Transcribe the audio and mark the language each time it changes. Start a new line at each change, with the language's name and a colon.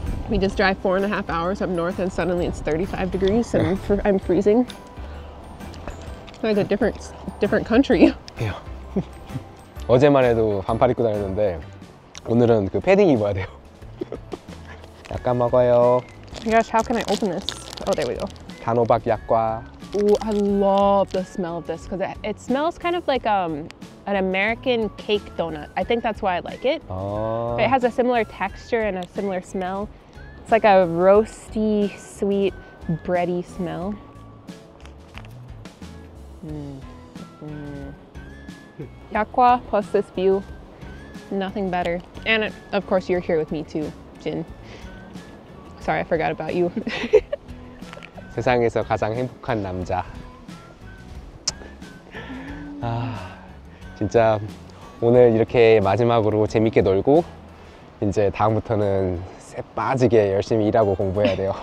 English: We just drive 4.5 hours up north and suddenly it's 35 degrees and I'm freezing. Like a different country. Yeah.
Korean: 어제만 해도 반팔 입고 다녔는데 오늘은 그 패딩 입어야 돼요. 약과 먹어요.
English: Gosh, how can I open this? Oh, there we go.
Korean: 단호박 약과.
English: Ooh, I love the smell of this because it smells kind of like an American cake donut. I think that's why I like it. Oh. It has a similar texture and a similar smell. It's like a roasty, sweet, bready smell. Yakwa plus this view, nothing better. And of course you're here with me too, Jin. Sorry, I forgot about you.
Korean: 세상에서 가장 행복한 남자. 아, 진짜 오늘 이렇게 마지막으로 재밌게 놀고 이제 다음부터는 새 빠지게 열심히 일하고 공부해야 돼요.